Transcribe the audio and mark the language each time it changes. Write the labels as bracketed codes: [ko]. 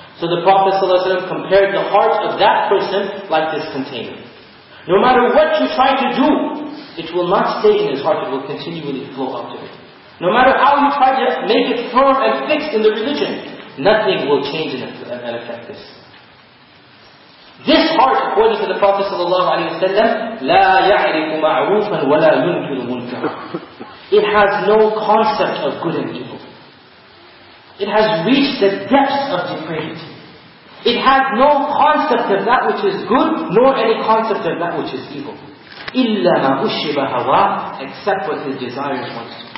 [en] So the Prophet ﷺ compared the heart of that person like this container. No matter what you try to do, it will not stay in his heart, it will continually flow out of it. No matter how you try to make it firm and fixed in the religion, nothing will change in it and affect this. This heart, according to the Prophet ﷺ, [ar] لا يعرف معروفا ولا ينكر منكر. [en] It has no concept of good and evil. It has reached the depths of depravity. It has no concept of that which is good, nor any concept of that which is evil. [ar] إِلَّا مَا أُشِّبَ هَوَاهُ [en] Except what his desires want.